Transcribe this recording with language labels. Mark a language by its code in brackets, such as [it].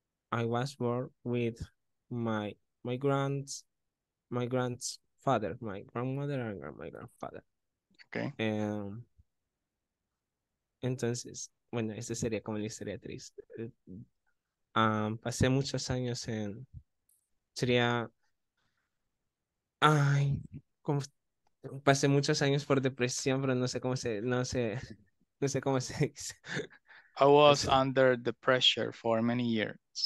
[en] I was born with my grandmother and grandfather. Okay. [es] Entonces, bueno, ese sería como la historia triste. Pasé muchos años en, sería, ay, como, pasé muchos años por depresión, pero no sé cómo se dice. [en] I was under the pressure for many years.